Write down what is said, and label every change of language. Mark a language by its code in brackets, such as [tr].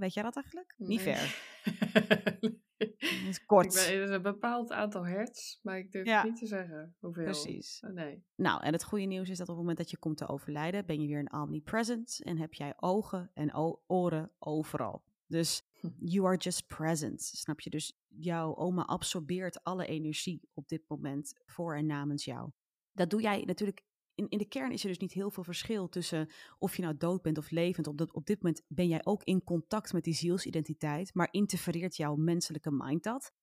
[nl] Weet jij dat eigenlijk? Nee. Niet ver. Het is kort. Het is een bepaald aantal hertz, maar ik durf niet te zeggen hoeveel. Precies. Nee. Nou, en het goede nieuws is dat op het moment dat je komt te overlijden, ben je weer in omnipresent en heb jij ogen en oren overal. Dus [en] you are just present, [nl] snap je? Dus jouw oma absorbeert alle energie op dit moment voor en namens jou. Dat doe jij natuurlijk. In de kern is er dus niet heel veel verschil tussen of je nou dood bent of levend. Op dit moment ben jij ook in contact met die zielsidentiteit, maar interfereert jouw menselijke mind dat.